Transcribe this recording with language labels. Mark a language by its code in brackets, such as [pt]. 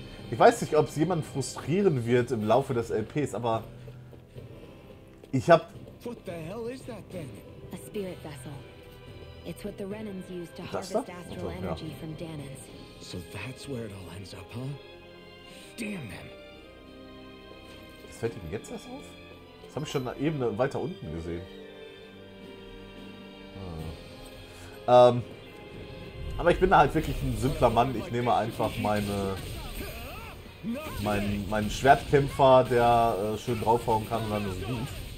[de] Ich weiß nicht, ob es jemanden frustrieren wird im Laufe des LPs, aber ich hab... [en] What the hell is that then? A spirit vessel. It's what the Renans use to harvest astral energy from Danans. So that's where it all ends up, huh? Damn them. [de] Das fällt ihm jetzt erst auf? Das habe ich schon eben weiter unten gesehen. Aber ich bin halt wirklich ein simpler Mann. Ich nehme einfach mein Schwertkämpfer, der schön draufhauen kann, dann ist gut.